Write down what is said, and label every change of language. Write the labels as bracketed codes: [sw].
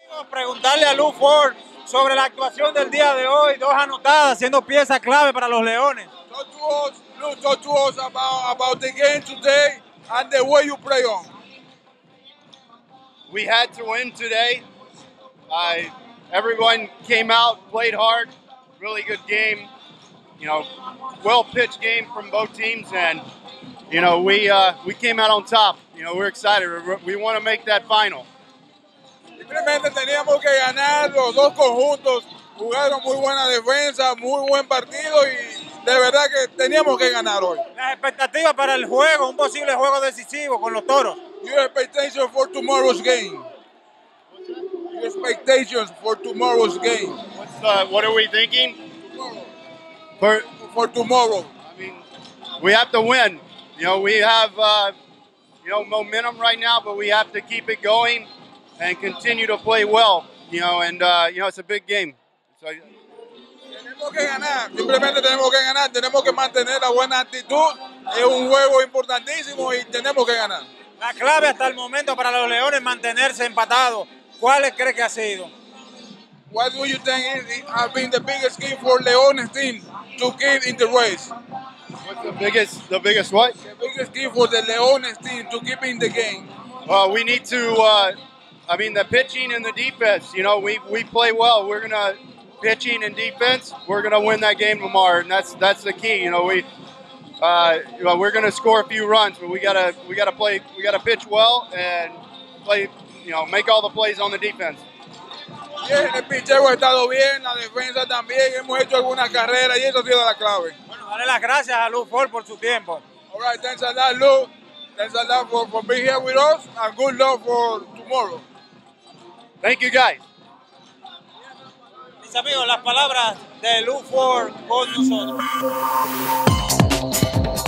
[es] Preguntarle a Lew Ford sobre la actuación del día de hoy, dos anotadas, siendo pieza clave para los Leones. [en] Talk to us, Lew, talk to us about the game today and the way you play on. We had to win today. Everyone came out, played hard, really good game. You know, well-pitched game from both teams, and, you know, we came out on top. You know, we're excited. We want to make that final. [es] Simplemente teníamos que ganar los dos conjuntos. Jugaron muy buena defensa, muy buen partido y de verdad que teníamos que ganar hoy. Las expectativas para el juego, un posible juego decisivo con los Toros. [en] Your expectations for tomorrow's game. Your expectations for tomorrow's game. What are we thinking? For tomorrow. We have to win. You know, we have momentum right now, but we have to keep it going and continue to play well, you know, and, you know, it's a big game. So, [es] tenemos que ganar, simplemente tenemos que ganar, tenemos que mantener la buena actitud, es un juego importantísimo y tenemos que ganar. La clave hasta el momento para los Leones mantenerse empatado, ¿cuál crees que ha sido? [en] What do you think has been the biggest key for Leones team to keep in the race? What's the biggest what? The biggest key for the Leones team to keep in the game. Well, we need to, the pitching and the defense, you know, we play well. We're going to, pitching and defense, we're going to win that game tomorrow. And that's the key. You know, we're going to score a few runs, but we got to pitch well and play, you know, make all the plays on the defense. [es] Yeah, el picheo ha estado bien, la defensa también. Hemos hecho algunas carreras y eso ha sido la clave. Bueno, dale las gracias a Lew Ford por su tiempo. [en] All right, thanks a lot, Lew. Thanks a lot for being here with us and good luck for tomorrow. Thank you, guys. [es] Mis amigos, las palabras de Lew Ford con nosotros.